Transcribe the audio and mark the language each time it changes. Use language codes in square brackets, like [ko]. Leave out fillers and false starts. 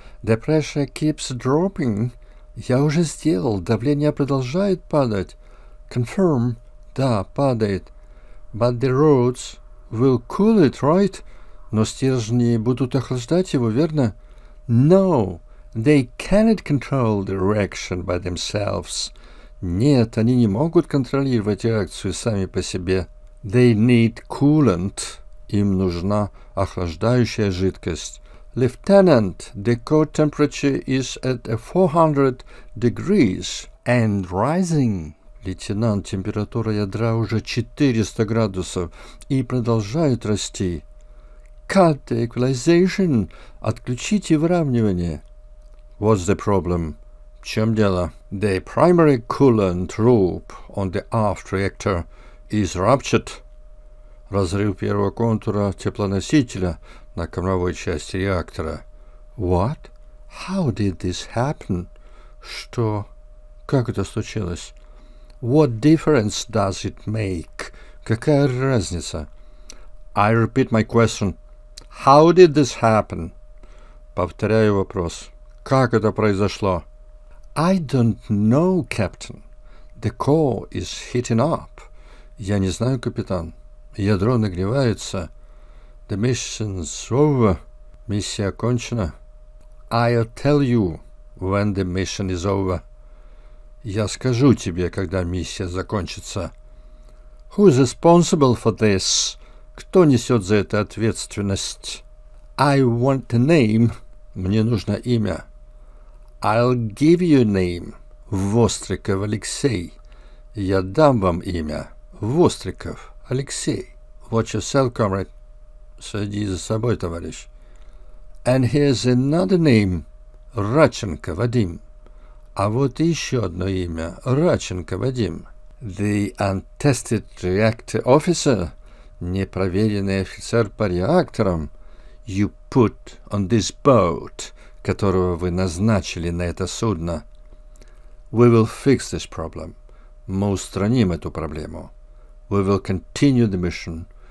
[en] The pressure keeps dropping. [ru] Я уже сделал. Давление продолжает падать. [en] Confirm. [ru] Да, падает. [en] But the rods will cool it, right? [ru] Но стержни будут охлаждать его, верно? [en] No. They cannot control the reaction by themselves. [ru] Нет, они не могут контролировать реакцию сами по себе. [en] They need coolant. [ru] Им нужна охлаждающая жидкость. [en] Lieutenant, the core temperature is at 400 degrees and rising. [ru] Лейтенант, температура ядра уже 400 градусов и продолжает расти. [en] Cut the equalization. [ru] Отключите выравнивание. [en] What's the problem? [ru] В чем дело? [en] The primary coolant loop on the aft reactor is ruptured. [ru] Разрыв первого контура теплоносителя на кормовой части реактора. [en] What? How did this happen? [ru] Что? Как это случилось? [en] What difference does it make? [ru] Какая разница? [en] I repeat my question. How did this happen? [ru] Повторяю вопрос. Как это произошло? [en] I don't know, Captain. The core is heating up. [ru] Я не знаю, капитан. Ядро нагревается. [en] The mission's over. [ru] Миссия окончена. [en] I'll tell you when the mission is over. [ru] Я скажу тебе, когда миссия закончится. [en] Who's responsible for this? [ru] Кто несет за это ответственность? [en] I want a name. [ru] Мне нужно имя. [en] I'll give you a name. [ru] Востриков Алексей. Я дам вам имя. [en] Востриков Алексей. Watch yourself, comrade. [ru] Следи за собой, товарищ. [en] And here's another name. [ru] Радченко Вадим. А вот еще одно имя. [en] Радченко Вадим. The untested reactor officer. [ru] Непроверенный офицер по реакторам. [en] You put on this boat, [ru] которого вы назначили на это судно. [en] We will fix this problem. [ru] Мы устраним эту проблему. [en] We will continue the mission.